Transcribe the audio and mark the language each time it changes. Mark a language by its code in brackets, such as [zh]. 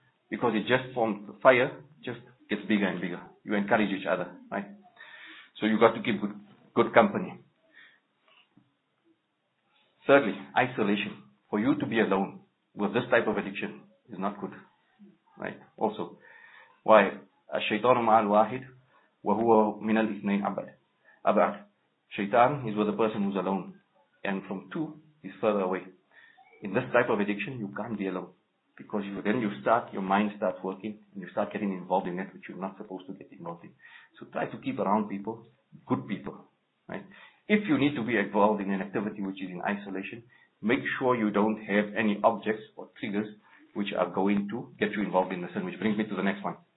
[en] Because it just forms the fire, just gets bigger and bigger. You encourage each other, right? So you got to keep good company. Thirdly, isolation. For you to be alone with this type of addiction is not good, right? Also, why? [ar] الشيطان مع الواحد وهو من الاثنين أبعد. [en] Shaitan is with a person who's alone, and from two, he's further away. In this type of addiction, you can't be alone, because your mind starts working, and you start getting involved in that which you're not supposed to get involved in. So try to keep around people, good people, right? If you need to be involved in an activity which is in isolation, make sure you don't have any objects or triggers which are going to get you involved in the sin, which brings me to the next one.